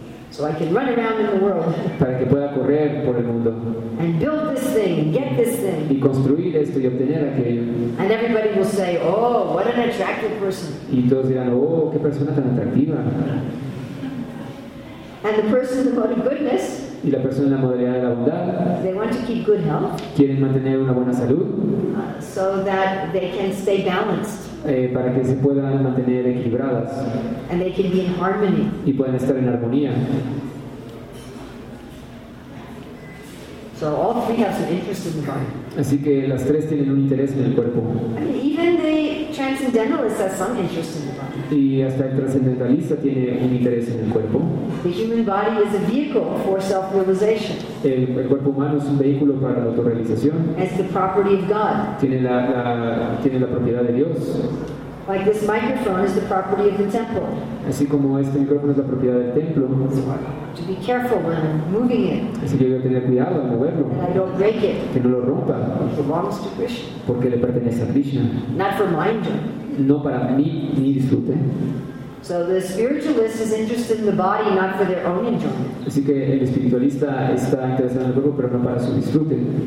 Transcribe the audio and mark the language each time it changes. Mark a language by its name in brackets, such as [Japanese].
[English] so I can run around in the world, [Spanish] para que pueda correr por el mundo, [English] and build this thing, get this thing, [Spanish] y construir esto y obtener aquello. [English] And everybody will say, oh, what an attractive person. [Spanish] Y todos dirán, oh, qué persona tan atractiva. [English] And the person who wanted goodness, [Spanish] y la persona en la modalidad de la bondad, [English] they want to keep good health, [Spanish] quieren mantener una buena salud, [English] so that they can stay balanced, [Spanish] para que se puedan mantener equilibradas, [English] and they can be in harmony, [Spanish] y puedan estar en armonía. [English] So all three have some interest in the body. [Spanish] Así que las tres tienen un interés en el cuerpo. [English] I mean, even the transcendentalist has some interest in the body. [Spanish] Y hasta el transcendentalista tiene un interés en el cuerpo. [English] The human body is a vehicle for self-realization. [Spanish] El cuerpo humano es un vehículo para la autorrealización. [English] It's the property of God. [Spanish] Tiene la propiedad de Dios. [English] Like this microphone is the property of the temple. [Spanish] Así como este micrófono es la propiedad del templo. [English] To be careful when I'm moving it. [Spanish] Así que debo tener cuidado al moverlo. [English] And I don't break it. [Spanish] Que no lo rompa. [English] It belongs to Krishna. [Spanish] Porque le pertenece a Krishna. [English] Not for my enjoyment. [Spanish] No para mí ni disfrute. [English] So the spiritualist is interested in the body, not for their own enjoyment. [Spanish] Así que el espiritualista está interesado en el cuerpo, pero no para su disfrute.